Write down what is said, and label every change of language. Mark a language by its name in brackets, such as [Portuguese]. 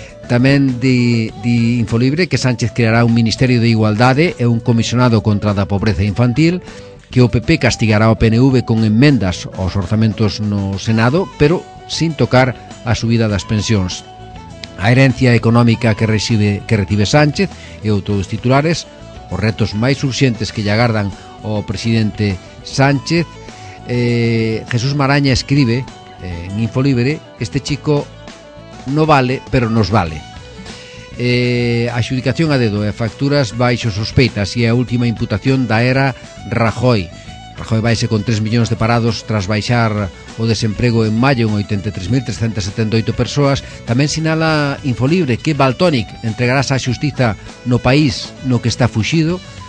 [Galician] Tamén di Infolibre que Sánchez creará un Ministerio de Igualdade e un comisionado contra a pobreza infantil, que o PP castigará o PNV con enmendas aos orzamentos no Senado, pero sin tocar a subida das pensións. A herencia económica que recibe Sánchez e outros titulares, os retos máis urxentes que lle agardan ao presidente Sánchez. [Spanish] Jesús Maraña escribe en Infolibre: este chico no vale, pero nos vale. [Galician] Adxudicación a dedo e facturas baixo sospeitas, e a última imputación da era Rajoy. Rajoy vaise con 3 millóns de parados tras baixar o desemprego en maio en 83.378 persoas. Tamén sinala Infolibre que Baltonic entregarás á xustiza no país no que está fuxido.